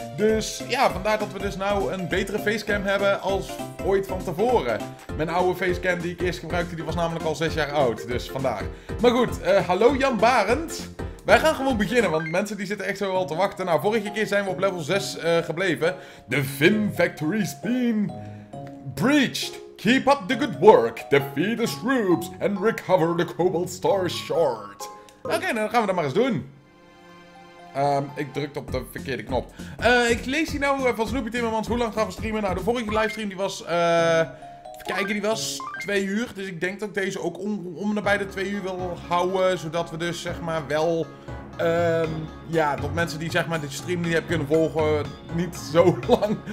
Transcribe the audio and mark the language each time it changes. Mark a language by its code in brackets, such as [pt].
[nl] Dus vandaar dat we dus nou een betere facecam hebben als ooit van tevoren. Mijn oude facecam die ik eerst gebruikte, die was namelijk al 6 jaar oud. Dus vandaar. Maar goed, hallo Jan Barend. Wij gaan gewoon beginnen, want mensen die zitten echt zo wel te wachten. Nou, vorige keer zijn we op level 6 gebleven. [en] The Vim Factory's been breached. Keep up the good work, defeat the shrubs, and recover the Cobalt Star Shard. [nl] Oké, dan gaan we dat maar eens doen. Ik drukte op de verkeerde knop. Ik lees hier nou van Snoopy Timmermans, hoe lang gaan we streamen? Nou, de vorige livestream die was, die was 2 uur. Dus ik denk dat ik deze ook om nabij de 2 uur wil houden. Zodat we dus, zeg maar, wel, dat mensen die, zeg maar, de stream niet hebben kunnen volgen, niet zo lang.